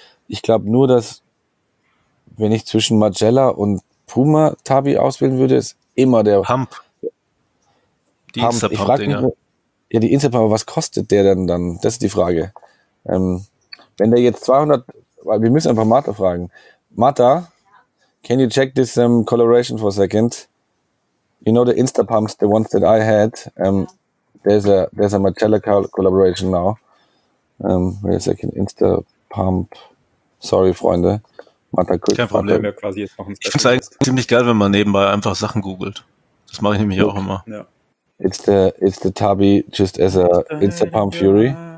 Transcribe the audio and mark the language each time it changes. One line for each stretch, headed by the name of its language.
German: Ich glaube nur, dass wenn ich zwischen Marcella und Puma Tabby auswählen würde, ist immer der Pump. Die Instapump-Dinger. Ja, die Instapump, aber was kostet der denn dann? Das ist die Frage. Wenn der jetzt 200, weil wir müssen einfach Martha fragen.
English: Martha, can you check this coloration for a second? You know the Instapumps, the ones that I had. There's a Marcella collaboration now. Wait a second, Instapump. Sorry, Freunde.
German: Martha, kein Problem, ja, quasi jetzt machen. Ich finde es ziemlich geil, wenn man nebenbei einfach Sachen googelt. Das mache ich nämlich auch immer.
English: Yeah. It's the Tabby just as a Instapump Fury.